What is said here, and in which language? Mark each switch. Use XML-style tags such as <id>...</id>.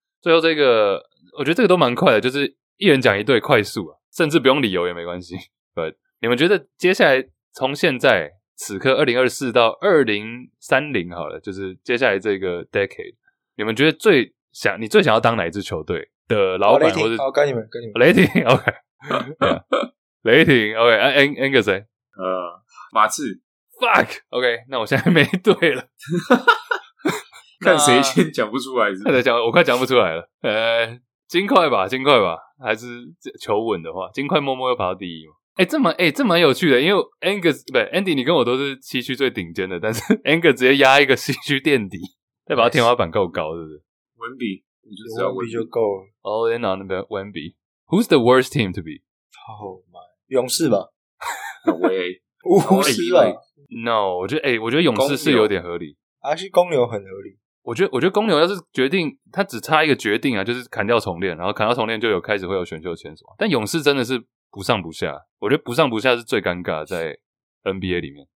<zh>最后这个，我觉得这个都蛮快的，就是一人讲一对，快速啊，甚至不用理由也没关系。 But 你们觉得接下来从现在？此刻2024到2030好了，就是接下来这个 decade， 你们觉得你最想要当哪一支球队的老板？或是好，跟你们雷霆 ，OK， 雷霆 ，OK， Angus 谁？马刺，fuck，OK，、okay, 那我现在没对了，看谁先讲不出来是不是，我快讲不出来了，金块吧，金块吧，还是求稳的话，金块默默又跑到第一嘛。欸，这蛮有趣的，因为 Angus， 不是 Andy， 你跟我都是西区最顶尖的，但是 Angus 直接压一个西区垫底，代表他天花板够高，是不是？文笔，你就知道文笔就够了。</zh> <en>All in on</en> <zh>那边文笔</zh> <en>，Who's the worst team to be？</en> <zh>Oh my， 勇士吧？喂，巫师吧？No， 我觉得我觉得勇士是有点合理，还是公牛很合理。我觉得公牛要是决定，他只差一个决定啊，就是砍掉重练，然后砍掉重练就有开始会有选秀签什么。但勇士真的是。不上不下，我觉得不上不下是最尴尬的在 NBA 里面。</zh>